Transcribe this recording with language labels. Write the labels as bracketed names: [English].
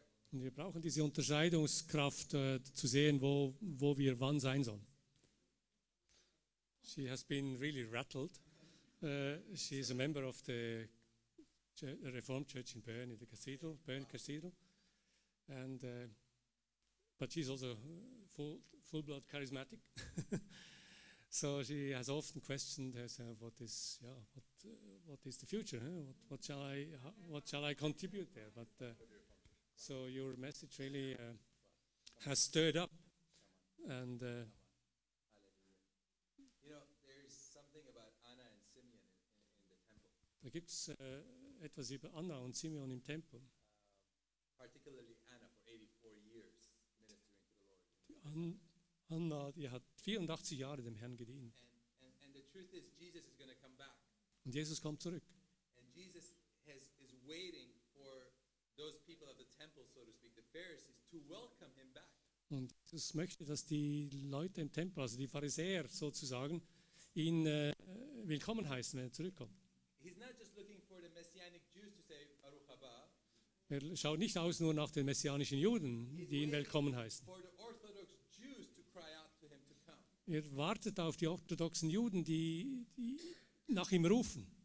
[German] Und wir brauchen diese Unterscheidungskraft zu sehen, wo wir wann sein sollen. [English] She has been really rattled. She is a member of the Reformed Church in Bern, in the Cathedral, Bern Cathedral. And but she's also full-blood charismatic. So she has often questioned herself, what is the future? Huh? What shall I contribute there? But so your message really has stirred up. And you know, there is something about Anna and Simeon in the temple. [German] Da gibt's etwas über Anna und Simeon im Tempel. [English] Particularly Anna for 84 years ministering to the Lord. [German] Anna, die hat 84 Jahre dem Herrn gedient. [English] And the truth is, Jesus is going to come back. [German] Und Jesus kommt zurück. [English] And Jesus is waiting for those people of the temple, so to speak, the Pharisees, to welcome him back. [German] Und Jesus möchte, dass die Leute im Tempel, also die Pharisäer sozusagen, ihn willkommen heißen, wenn er zurückkommt. [English] He's not just looking for the messianic Jews to say [Hebrew] Baruch Haba. [German] Er schaut nicht aus nur nach den messianischen Juden, die ihn willkommen heißen. [English] For the Orthodox Jews to cry out to him to come. [German] Er wartet auf die orthodoxen Juden, die nach ihm rufen.